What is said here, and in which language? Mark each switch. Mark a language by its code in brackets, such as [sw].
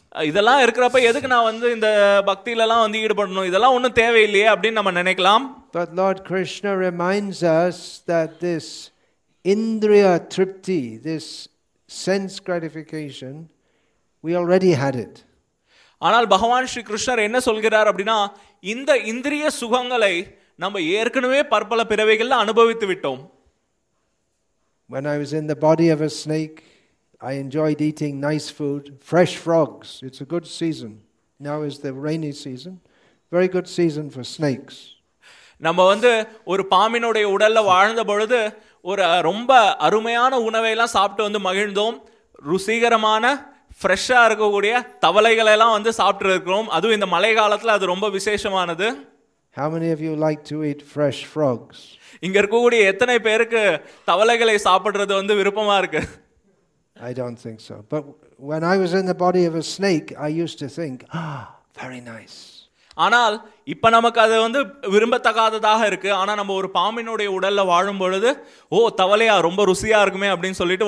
[ta] இதெல்லாம் இருக்கறப்ப எதுக்கு நான் வந்து இந்த பக்தியில எல்லாம் வந்து ஈடுபடணும், இதெல்லாம் ஒண்ணும் தேவையில்லையே அப்படின்னு நம்ம நினைக்கலாம். [en] But Lord Krishna reminds us that this indriya tripti, this sense gratification, we already had it. [ta] ஆனால் பகவான் ஸ்ரீ கிருஷ்ணர் என்ன சொல்கிறார் அப்படின்னா, இந்த இந்திரிய சுகங்களை நம்ம ஏற்கனவே பற்பல பிறவிகளில் அனுபவித்து விட்டோம். [en] When I was in the body of a snake, I enjoyed eating nice food, fresh frogs. It's a good season. Now is the rainy season. Very good season for snakes. [ta] நம்ம வந்து ஒரு பாம்பினுடைய உடல்ல வாழ்ந்த பொழுது ஒரு ரொம்ப அருமையான உணவை எல்லாம் சாப்பிட்டு வந்து மகிழ்ந்தோம். ருசிகரமான ஃப்ரெஷ்ஷாக இருக்கக்கூடிய தவளைகளை எல்லாம் வந்து சாப்பிட்டு இருக்கிறோம். அதுவும் இந்த மழை காலத்தில் அது ரொம்ப விசேஷமானது. [en] How many of you like to eat fresh frogs? [ta] இங்க இருக்கக்கூடிய எத்தனை பேருக்கு தவளைகளை சாப்பிடுறது வந்து விருப்பமா இருக்கு? [en] I don't think so. But when I was in the body of a snake, I used to think, very nice. [ta] ஆனால் இப்ப நமக்கு அது வந்து விரும்பத்தகாததாக இருக்கு. ஆனா நம்ம ஒரு பாம்பினுடைய உடல்ல வாழும் பொழுது, ஓ தவளையா ரொம்ப ருசியா இருக்குமே அப்படின்னு சொல்லிட்டு